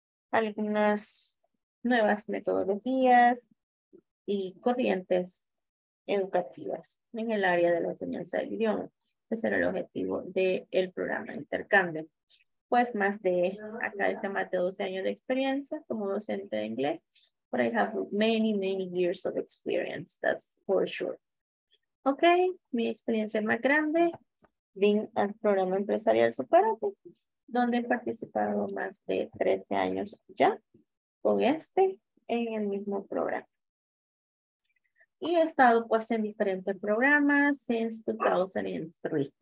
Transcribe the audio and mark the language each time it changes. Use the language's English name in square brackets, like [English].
[Spanish] Algunas nuevas metodologías y corrientes educativas en el área de la enseñanza del idioma. Ese era el objetivo del programa de intercambio. Pues más de, acá dice más de 12 años de experiencia como docente de inglés. [English] But I have many, many years of experience, that's for sure. [Spanish] Ok, mi experiencia más grande, vine al programa empresarial Superate, donde he participado más de 13 años ya con en el mismo programa. Y he estado pues en diferentes programas [English] since 2003.